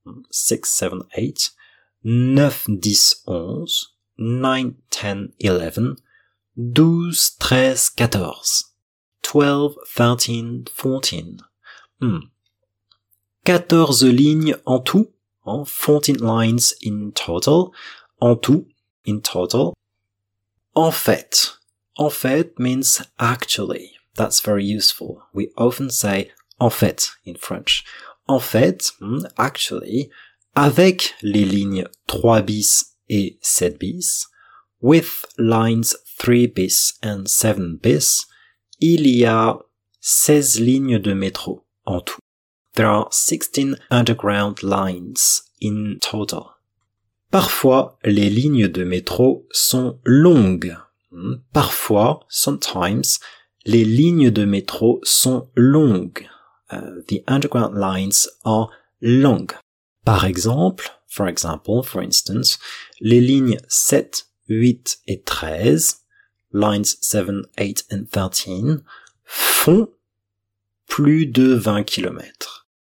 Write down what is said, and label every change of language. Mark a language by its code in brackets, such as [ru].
[fr] 6, 7, 8. 9, 10, 11, 9, 10, 11, 12, 13, 14, 12, 13, 14. 14 lignes en tout, [en] 14 lines in total, [fr] en tout, [en] in total. En fait means actually, that's very useful. We often say en fait in French. [fr] En fait, [en] actually, [fr] avec les lignes 3 bis et 7 bis, [en] with lines 3 bis and 7 bis, [fr] il y a 16 lignes de métro en tout. [en] There are 16 underground lines in total. [fr] Parfois, les lignes de métro sont longues. Parfois, sometimes, les lignes de métro sont longues. [en] The underground lines are long. [fr] Par exemple, [en] for example, for instance, [fr] les lignes 7, 8 et 13, [en] lines 7, 8 and 13, [fr] font plus de 20 kilomètres.